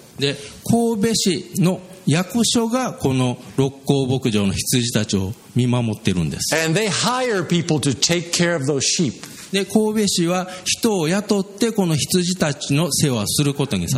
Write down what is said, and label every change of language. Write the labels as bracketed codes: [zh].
[ja] で、神戸市の役所がこの六甲牧場の羊たちを見守ってるんです。 [en] And they hire people to take care of those sheep. [ja] で神戸市は人を雇ってこの羊たちの世話をすることにさ